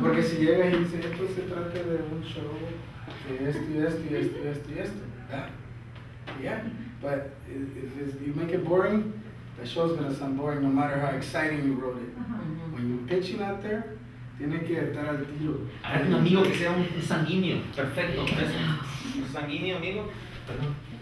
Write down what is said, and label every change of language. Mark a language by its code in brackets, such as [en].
[es] Porque si llegas y dices, esto se trata de un show de esto y esto y esto y esto y esto. [en] Yeah, but if you make it boring, the show's gonna sound boring no matter how exciting you wrote it. [es] When you're pitching out there, tienes que estar al tiro. Hay un amigo que sea un sanguíneo, perfecto, un sanguíneo amigo, perdón.